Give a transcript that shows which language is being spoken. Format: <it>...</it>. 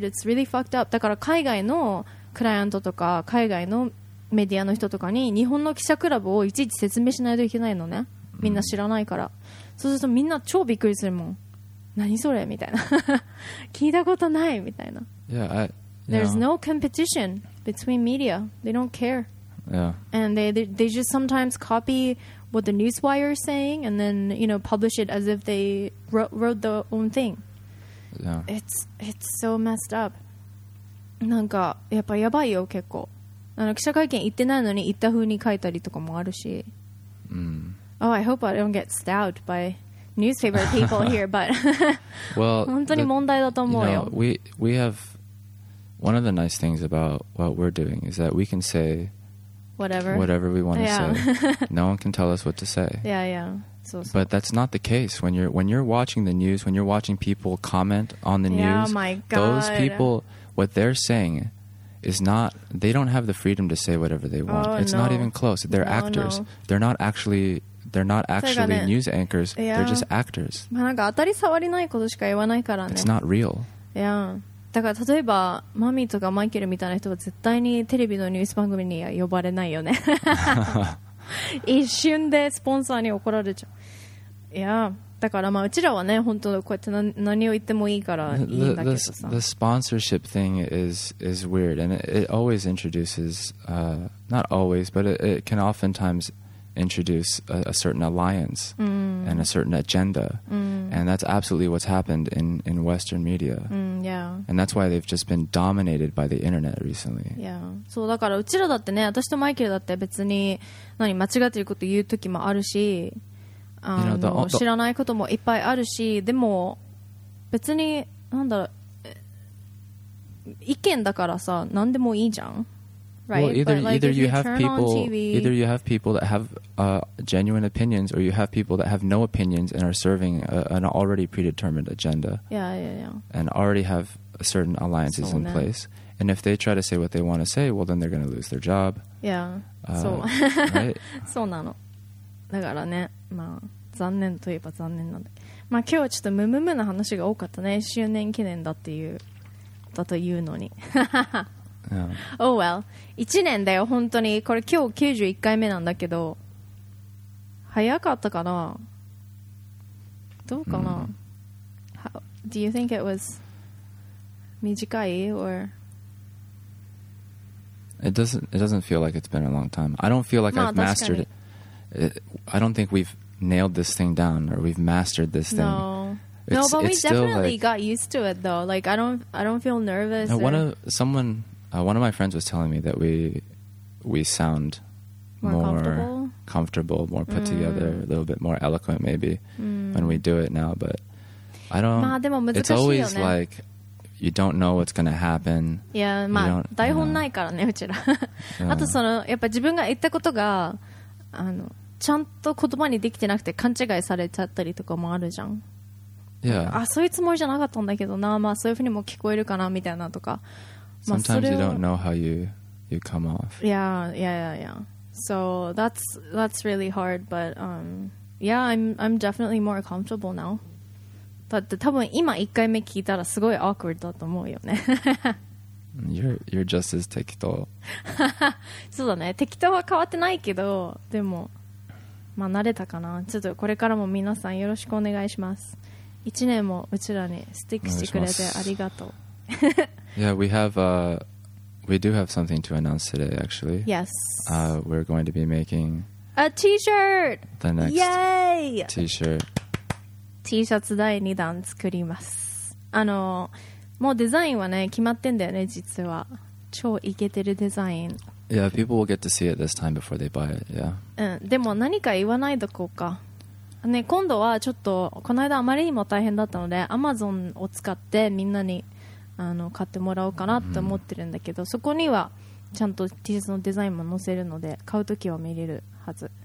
<en>It's really fucked up.</en> <ja>だから海外のクライアントとか海外のメディアの人とかに日本の記者クラブをいちいち説明しないといけないのね、みんな知らないから、うん、そうするとみんな超びっくりするもん、何それみたいな聞いたことないみたいな。</ja> <en>Yeah, I, There's no competition between media. They don't care. Yeah. And they just sometimes copy what the newswire is saying and then, you know, publish it as if they wrote the own thing. Yeah. It's so messed up.</en> <ja>なんかやっぱやばいよ結構。あの記者会見行ってないのに行った風に書いたりとかもあるし、うん、</ja> <en>Oh, I hope I don't get stabbed by newspaper people here, but well,</en> <ja>本当に問題だと思うよ。</ja> <en>You know, we have one of the nice things about what we're doing is that we can say whatever we want to say. No one can tell us what to say. Yeah, yeah. So. But that's not the case when you're watching the news, when you're watching people comment on the news. Yeah, my God. Those people, what they're saying is not, they don't have the freedom to say whatever they want. Oh, it's no. not even close. They're actors. No. They're not actually news anchors. Yeah. They're just actors.</en> <ja>まあなんか当たり障りないことしか言わないからね。</ja> <en>It's not real. Yeah.</en> <ja>だから例えばマミーとかマイケルみたいな人は絶対にテレビのニュース番組には呼ばれないよね。一瞬でスポンサーに怒られちゃう。</ja> <en>Yeah.</en> <ja>だからまあうちらはね本当こうやって 何を言ってもいいからいいんだけどさ。</ja> <en>The sponsorship thing is weird and it always introduces not always but it can oftentimes introduce a certain alliance、 mm. and a certain agenda、 mm. and that's absolutely what's happened in Western media、 mm, yeah. and that's why they've just been dominated by the internet recently. Yeah.</en> <ja>そうだからうちらだってね、私とマイケルだって別に何間違ってること言う時もあるし。知らないこともいっぱいあるし、でも別になんだろう、意見だからさ何でもいいじゃん、</ja> <en>right? Well, either you have people TV, either you have people that have、genuine opinions or you have people that have no opinions and are serving an already predetermined agenda. Yeah, yeah, yeah. And already have certain alliances、ね、 in place. And if they try to say what they want to say, well then they're going to lose their job. Yeah. So,</en> <ja>そうなの。だからね、まあ残念といえば残念なんだけど、まあ今日はちょっとムムムな話が多かったね、周年記念だっていうだというのに。</ja> <en>yeah. Oh well,</en> <ja>1年だよ本当に。これ今日91回目なんだけど、早かったかな、どうかな、mm.</ja> <en>How, Do you think it was 短い or... It doesn't feel like it's been a long time. I don't feel like、</en> <ja>まあ、</ja> <en>I've mastered it. I don't think we've nailed this thing down or we've mastered this thing. No, but we definitely got used to it though. Like I don't feel nervous. No, one of my friends was telling me that we sound more comfortable, more put together, a little bit more eloquent maybe when we do it now. But I don't.</en> <ja>まあでも難しいよね。</ja> <en>It's always like. You don't know what's gonna happen. Yeah,</en> <ja>まあ台本ないからねうちら。あとそのやっぱ自分が言ったことがあのちゃんと言葉にできてなくて勘違いされちゃったりとかもあるじゃん。</ja> <en>Yeah.</en> <ja>あ、そういうつもりじゃなかったんだけどな、まあそういうふうにも聞こえるかなみたいなとか。</ja> <en>Sometimes you don't know how you come off. Yeah, yeah, yeah, yeah. So that's really hard, but yeah, I'm definitely more comfortable now.</en> <ja>だって多分今1回目聞いたらすごい awkward だと思うよね。</ja> <en>You're just as 適当。</en> <ja>そうだね、適当は変わってないけど、でもまあ慣れたかな。ちょっとこれからも皆さんよろしくお願いします。1年もうちらにスティックしてくれてありがとう。</ja> <en>Yeah, we have we do have something to announce today actually. Yes. We're going to be making a t-shirt. The next Yay! t-shirt</en> <ja>T シャツ第2弾作ります。あのもうデザインはね決まってんだよね、実は超イケてるデザイン。 Yeah, people will get to see it this time before they buy it. Yeah. うん、でも何か言わないどこかね、今度はちょっとこの間あまりにも大変だったので Amazon を使ってみんなにあの買ってもらおうかなって思ってるんだけど、mm-hmm. そこにはちゃんと T シャツのデザインも載せるので買うときは見れるはず。</ja>